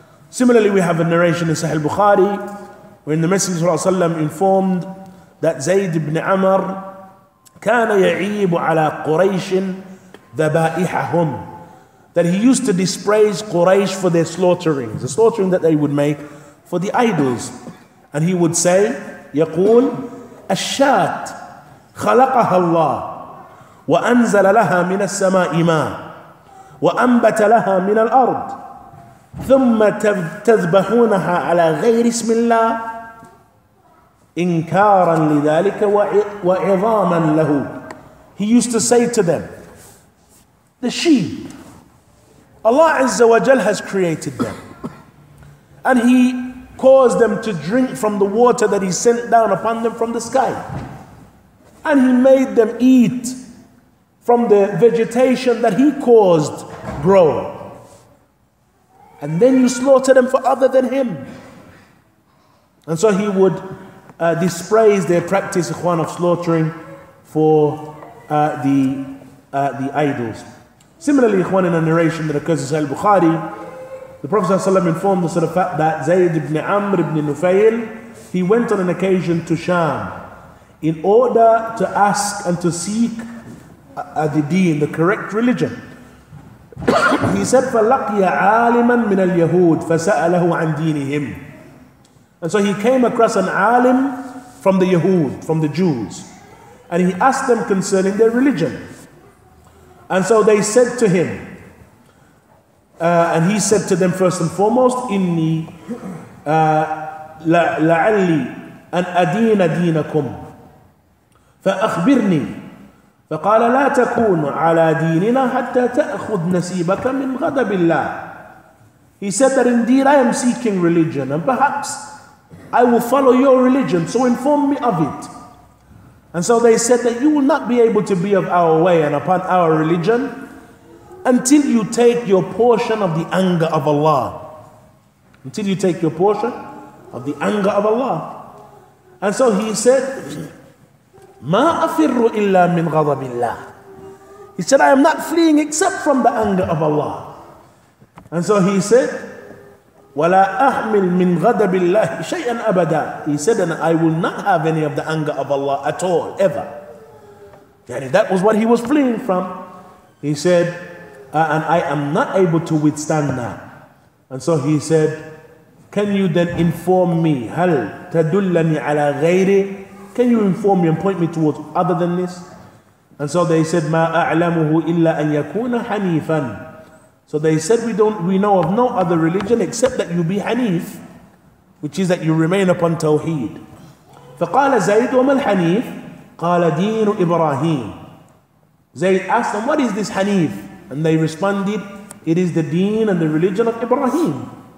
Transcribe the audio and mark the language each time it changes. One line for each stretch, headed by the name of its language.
English: Similarly, we have a narration in Sahih Bukhari when the Messenger ﷺ informed that Zayd ibn Amr
Arabic: كان يعيب على قريش ذبائحهم,
English: that he used to dispraise Quraysh for their slaughterings, the slaughtering that they would make for the idols. And he would say,
Arabic: يقول الشات خلقها الله وأنزل لها من السماء ماء وأنبت لها من الأرض ثم تذبحونها على غير اسم الله إنكارا لذلك وعظاما له.
English: He used to say to them, the sheep, Allah Azza wa Jal has created them, and He caused them to drink from the water that He sent down upon them from the sky, and He made them eat from the vegetation that He caused grow. And then you slaughter them for other than Him. And so he would dispraise their practice, Ikhwan, of slaughtering for the idols. Similarly, Ikhwan, in a narration that occurs in Sahih Bukhari, the Prophet ﷺ informed us of the fact that Zayd ibn Amr ibn Nufayl, he went on an occasion to Sham in order to ask and to seek the deen, the correct religion. He said,
Arabic: فَلَقِيَ عَالِمًا مِنَ الْيَهُودِ فَسَأَلَهُ عَنْ دِينِهِمْ.
English: And so he came across an alim from the Yahud, from the Jews, and he asked them concerning their religion. And so they said to him, and he said to them first and foremost,
Arabic: إِنِّي لَعَلِّي أَنْ أَدِينَ دِينَكُمْ فَأَخْبِرْنِي. فقال لا تكون على ديننا حتى تأخذ نسيبك من غضب الله.
English: He said that indeed I am seeking religion, and perhaps I will follow your religion, so inform me of it. And so they said that you will not be able to be of our way and upon our religion until you take your portion of the anger of Allah. Until you take your portion of the anger of Allah. And so he said,
Arabic: مَا أَفِرُّ إِلَّا مِنْ غَضَبِ اللَّهِ.
English: He said, I am not fleeing except from the anger of Allah. And so he said,
Arabic: وَلَا أَحْمِلْ مِنْ غَدَبِ اللَّهِ شَيْئًا أَبَدًا.
English: He said, and I will not have any of the anger of Allah at all, ever. Yani that was what he was fleeing from. He said, and I am not able to withstand that. And so he said, can you then inform me,
Arabic: هَلْ تَدُلَّنِي عَلَى غَيْرِ,
English: can you inform me and point me towards other than this? And so they said,
Arabic: مَا أَعْلَمُهُ إِلَّا أَنْ يَكُونَ حَنِيفًا.
English: So they said, we know of no other religion except that you be Hanif, which is that you remain upon Tawheed.
Arabic: فَقَالَ زَيْدْ وَمَا الْحَنِيفِ قَالَ دِينُ إِبْرَاهِيمِ.
English: Zayd asked them, what is this Hanif? And they responded, it is the deen and the religion of Ibrahim.